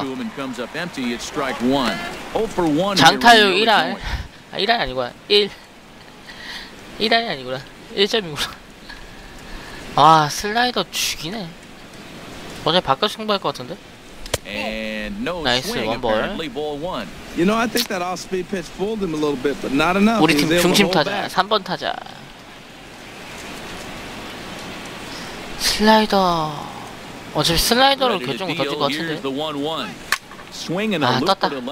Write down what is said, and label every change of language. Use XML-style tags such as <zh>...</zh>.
<ko>장타율 1안. 아, 1안이 아니구나. 1안이 아니구나. 1점이구나. 아, 슬라이더 죽이네. 어제 바깥 승부할 것 같은데? 나이스, 원볼.</ko> <en>You know, I think that off-speed pitch fooled him a little bit, but not enough.</en> <ko>우리 팀 중심 타자, 3번 타자. 슬라이더. 어차피 슬라이더로 결정을 던질 것 같은데. 아, 떴다.</ko>